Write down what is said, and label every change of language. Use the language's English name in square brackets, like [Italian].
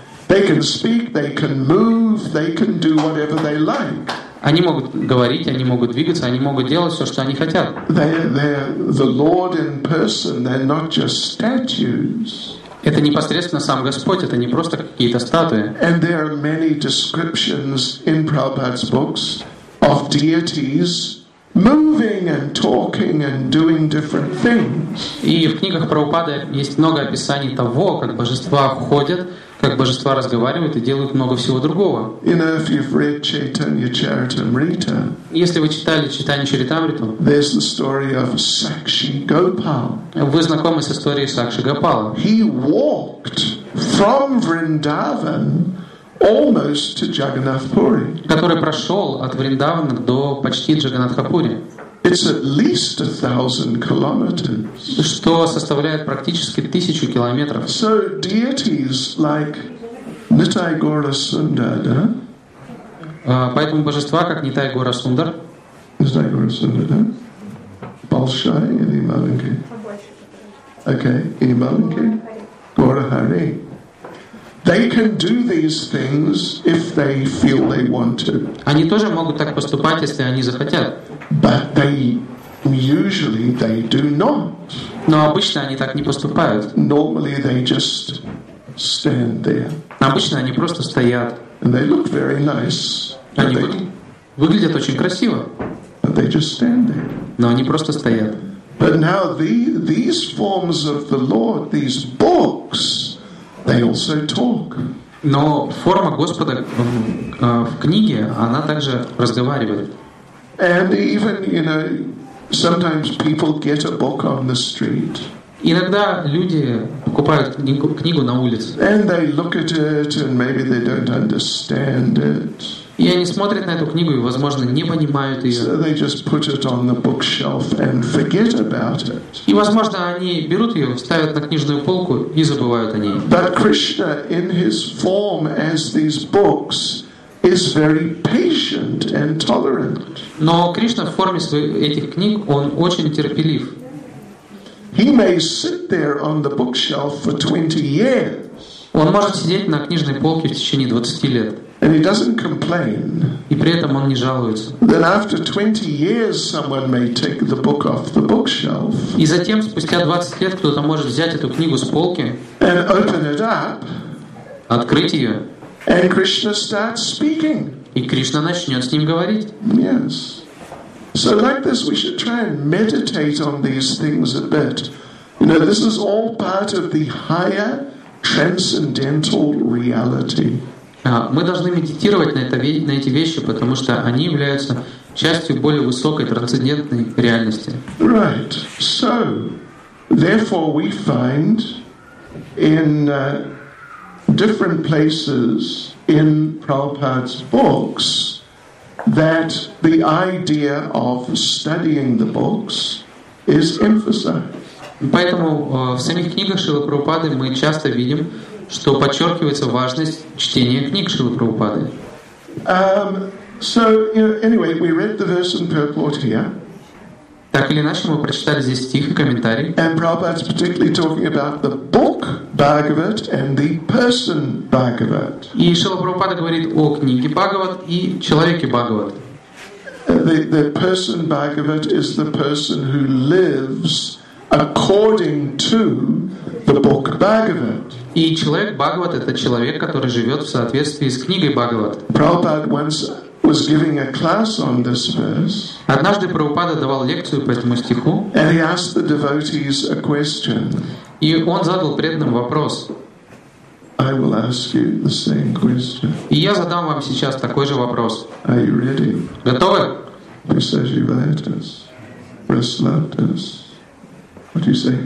[English] They can speak, they can move, they can do whatever they like. [Russian] Они могут говорить, они могут двигаться, они могут делать все, что они хотят. [English] They're the Lord in person, they're not just statues. [Russian] Это непосредственно сам Господь, это не просто какие-то статуи. [English] And there are many descriptions in Prabhupada's books of deities moving and talking and doing different things. [Russian] И в книгах Прабхупады есть много описаний того, как божества ходят, как божества разговаривают и делают много всего другого. [English] You know, if you've read Chaitanya Charitamrita, [Russian] если вы читали Чайтанья Чаритамриту, [English] there's the story of Sakshi Gopal. [Russian] Вы знакомы с историей Сакши Гопала. [English] He walked from Vrindavan almost to Jagannath Puri. [Russian] Который прошел от Вриндавана до почти Джаганатхапури. [English] It's at least 1,000 kilometers. [Russian] Что составляет практически 1,000 километров. [English] So deities like Nitai Gaura Sundar, [Russian] да? Поэтому божества как Нитай Гора Сундар. Нитай Гора Сундар, да? Большой или маленький? [English] Okay, [Russian] или маленький? Гора Хари. [English] They can do these things if they feel they want to. [Russian] Они тоже могут так поступать, если они захотят. [English] But they usually they do not. [Russian] Но обычно они так не поступают. [English] Normally they just stand there. [Russian] Обычно они просто стоят. [English] And they look very nice. [Russian] Они выглядят очень красиво. [English] But they just stand there. [Russian] Но они просто стоят. [English] But now these forms of the Lord, these books, they also talk. [Russian] Но форма Господа в книге, она также разговаривает. [English] And even, you know, sometimes people get a book on the street. [Russian] Иногда люди покупают книгу на улице. [English] And they look at it and maybe they don't understand it. [Russian] И они смотрят на эту книгу и, возможно, не понимают ее. [English] So they just put it on the bookshelf and forget about it. [Russian] И, возможно, они берут ее, ставят на книжную полку и забывают о ней. [English] But Krishna, in his form as these books, is very patient and tolerant. [Russian] Но Кришна в форме этих книг, он очень терпелив. [English] He may sit there on the bookshelf for 20 years. [Russian] Он может сидеть на книжной полке в течение 20 лет. [English] And he doesn't complain. [Russian] И при этом он не жалуется. [English] Then after 20 years, someone may take the book off the bookshelf. [Russian] И затем спустя 20 лет кто-то может взять эту книгу с полки. [English] And open it up. [Russian] Открыть ее. [English] And Krishna starts speaking. [Russian] И Кришна начнет с ним говорить. [English] Yes. So like this, we should try and meditate on these things a bit. You know, this is all part of the higher transcendental reality. [Russian] Мы должны медитировать на эти вещи, потому что они являются частью более высокой трансцендентной реальности. [English] Right. So, therefore, we find in different places in Prabhupada's books that the idea of studying the books is emphasized. [Russian] Поэтому в самих книгах Шрилы Прабхупады мы часто видим, что подчеркивается важность чтения книг Шрилы Прабхупады. [English] So, you know, anyway, we read the verse in purport here. [Russian] Так или иначе, мы прочитали здесь стих и комментарий. [English] And Prabhupada's particularly talking about the book Bhagavat and the person Bhagavat. [Russian] И Шрила Прабхупада говорит о книге Бхагават и человеке Бхагават. [English] The person Bhagavat is the person who lives according to the book Bhagavat. [Russian] И человек Бхагават — это человек, который живет в соответствии с книгой Бхагават. [English] Prabhupada once was giving a class on this verse. [Russian] Однажды Прабхупада давал лекцию по этому стиху. [English] And he asked the devotees a question. [Russian] И он задал преданным вопрос. [English] I will ask you the same question. [Russian] И я задам вам сейчас такой же вопрос. [English] Are you ready? [Russian] Готовы? [English] Visajivayatas, Raslatas. What do you say?